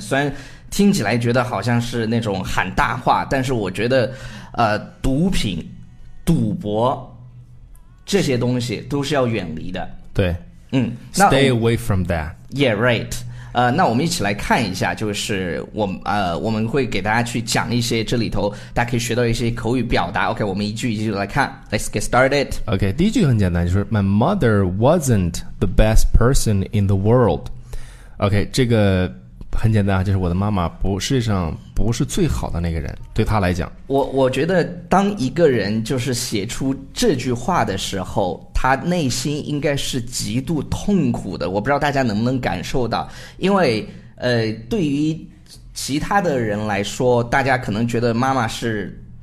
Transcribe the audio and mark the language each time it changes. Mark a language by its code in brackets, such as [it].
[zh] 虽然听起来觉得好像是那种喊大话，但是我觉得毒品、赌博这些东西都是要远离的。对，那 [en] Stay away from that. Yeah, right. [zh] 那我们一起来看一下，就是我们会给大家去讲一些这里头大家可以学到一些口语表达。 OK， 我们一句一句来看。 [en] Let's get started. OK， [zh] 第一句很简单，就是 [en] My mother wasn't the best person in the world. [zh] OK， 这个很简单，就是我的妈妈不世界上不是最好的那个人，对她来讲。我觉得当一个人就是写出这句话的时候，他内心应该是极度痛苦的。我不知道大家能不能感受到，因为对于其他的人来说，大家可能觉得妈妈是